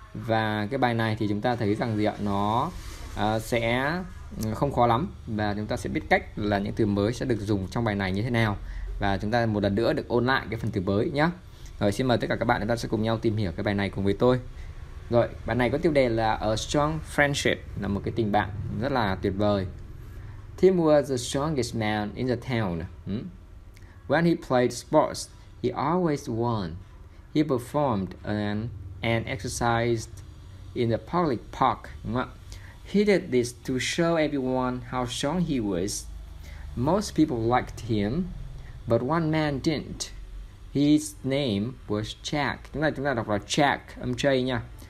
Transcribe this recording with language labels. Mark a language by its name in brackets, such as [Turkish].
[Vietnamese] Và cái bài này thì chúng ta thấy rằng gì ạ? Nó sẽ không khó lắm. Và chúng ta sẽ biết cách là những từ mới sẽ được dùng trong bài này như thế nào. Và chúng ta một lần nữa được ôn lại cái phần từ mới nhé. Rồi, xin mời tất cả các bạn, chúng ta sẽ cùng nhau tìm hiểu cái bài này cùng với tôi. Rồi, bài này có tiêu đề là A Strong Friendship, là một cái tình bạn rất là tuyệt vời. [English] Tim was the strongest man in the town. When he played sports, he always won. He performed and exercised in the public park. He did this to show everyone how strong he was. Most people liked him, but one man didn't. His name was Jack. [Vietnamese] Chúng ta đọc là Jack, âm J nha.